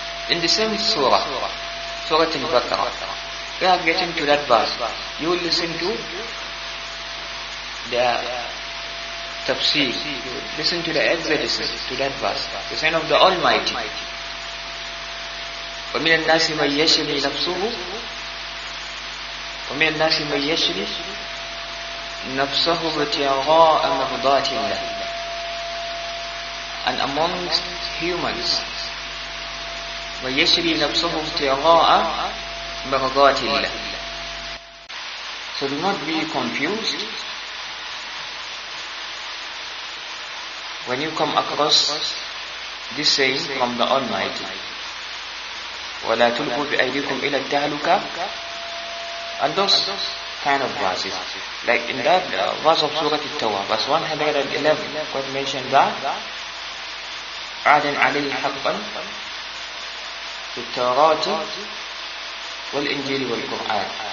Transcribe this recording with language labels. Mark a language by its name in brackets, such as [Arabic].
[English] In the same surah, Surah Al-Baqarah, we are getting to that verse. You will listen to the tafsir, listen to the exodus, to that verse, the sin of the Almighty. [Arabic] ومن الناس من يشري نفسه ومن الناس من يشري نفسه ابتغاء مرضات الله. [English] And amongst humans, من يشري نفسه ابتغاء مرضات الله. So do not be confused when you come across this saying from the Almighty. [Arabic] ولا تلقوا بأيديكم إلى التهلكة. [English] And those kind of verses, like in that verse of Surah At-Tawbah, verse 111, God mentioned that [Arabic] عاد عليه حقا في التوراة والإنجيل والقرآن.